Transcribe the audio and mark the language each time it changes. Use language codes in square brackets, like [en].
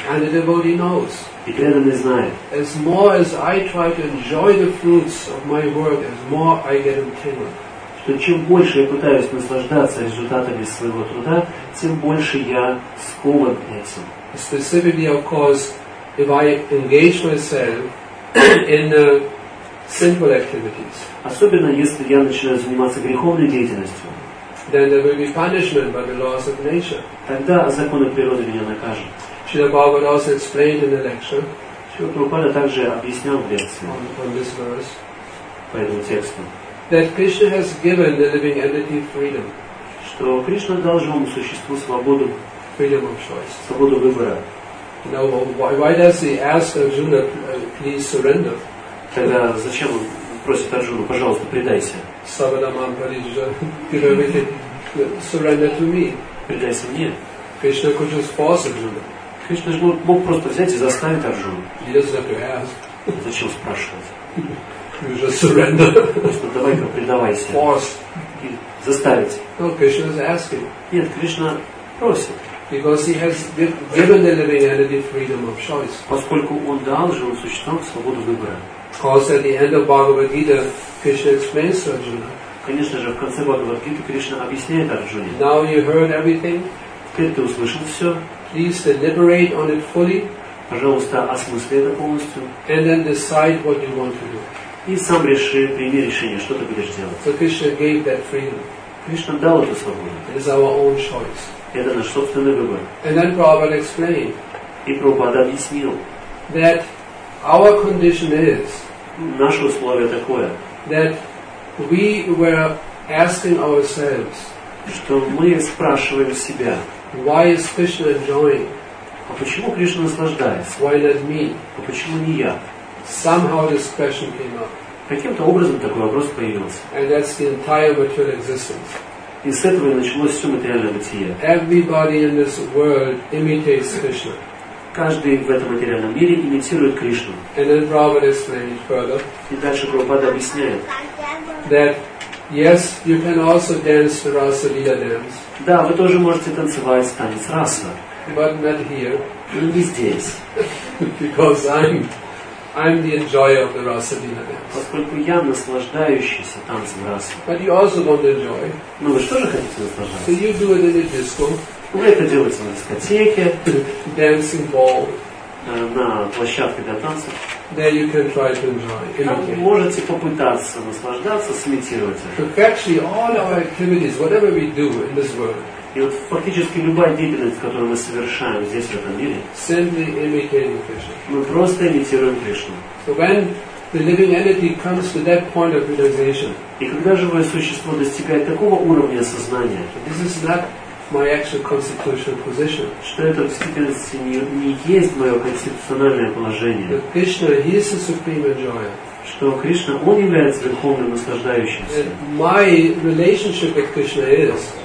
[en] And the devotee knows. [ru] И преданный знает. [en] As more as I try to enjoy the fruits of my work, as more I get entangled. [ru] Что чем больше я пытаюсь наслаждаться результатами своего труда, тем больше я скован этим. [en] Specifically, of course, if I engage myself in sinful activities. [ru] Особенно если я начинаю заниматься греховной деятельностью. [en] Then there will be punishment by the laws of nature. [ru] Тогда законы природы меня накажут. [en] Srila Prabhupada also explained in the lecture. [ru] Srila Prabhupada также объяснял в лекции. [en] On this verse. [ru] По этому тексту. [en] That Krishna has given the living entity freedom. [ru] Что Кришна дал живому существу свободу. [en] Freedom of choice. [ru] Свободу выбора. [en] Now, why does he ask Arjuna, please surrender? [ru] Тогда зачем он просит Арджуну, пожалуйста, предайся. [sa] Savanamam Parijja, [en] give everything, surrender to me. [ru] Предайся мне. [en] Krishna could just force Arjuna. [ru] Кришна же мог просто взять и заставить Арджуну. [en] He doesn't have to ask. [ru] Зачем спрашивать? [en] You just surrender. [ru] Просто давай-ка предавайся. [en] Force. [ru] Заставить. [en] No, Krishna is asking. [ru] Нет, Кришна просит. [en] Because he has given the living entity freedom of choice. [ru] Поскольку он дал живым существам свободу выбора. [en] Because at the end of Bhagavad Gita, Krishna explains to Arjuna. [ru] Конечно же, в конце Бхагавад Гиты Кришна объясняет Арджуне. [en] Now you heard everything. [ru] Теперь ты услышал все. [en] Please deliberate on it fully. [ru] Пожалуйста, осмысли это полностью. [en] And then decide what you want to do. [ru] И сам реши, прими решение, что ты будешь делать. [en] So Krishna gave that freedom. [ru] Кришна дал эту свободу. [en] It is our own choice. [ru] Это наш собственный выбор. [en] And then Prabhupada explained. [ru] И Прабхупада объяснил. [en] That our condition is. [ru] Наше условие такое. [en] That we were asking ourselves. [ru] Что мы спрашиваем себя. [en] Why is Krishna enjoying? [ru] А почему Кришна наслаждается? [en] Why not me? [ru] А почему не я? [en] Somehow this question came up. [ru] Каким-то образом такой вопрос появился. [en] And that's the entire material existence. [ru] И с этого и началось все материальное бытие. [en] Everybody in this world imitates Krishna. [ru] Каждый в этом материальном мире имитирует Кришну. [en] And then Prabhupada explains further. [ru] И дальше Прабхупада объясняет. [en] That yes, you can also dance the Rasa Lila dance. [ru] Да, вы тоже можете танцевать танец Раса. [en] But not here. [ru] Но не здесь. [en] Because I'm. I'm the enjoyer of the rasa lila dance. [ru] Поскольку я наслаждающийся танцем расы. [en] But you also want to enjoy. [ru] Ну вы тоже хотите наслаждаться. [en] So you do it in a disco. [ru] Вы это делаете на дискотеке. [en] Dancing ball. [ru] На площадке для танцев. [en] There you can try to enjoy. [ru] Можете попытаться наслаждаться, сымитировать это. [en] So actually all our activities, whatever we do in this world. [ru] И вот фактически любая деятельность, которую мы совершаем здесь, в этом мире, [en] simply imitating Krishna. [ru] Мы просто имитируем Кришну. [en] So when the living entity comes to that point of realization, [ru] и когда живое существо достигает такого уровня сознания, [en] this is not my actual constitutional position. [ru] Что это в действительности не есть мое конституциональное положение. [en] But Krishna, he is the supreme enjoyer. [ru] Что Кришна, он является верховным наслаждающимся. [en] And my relationship with Krishna is.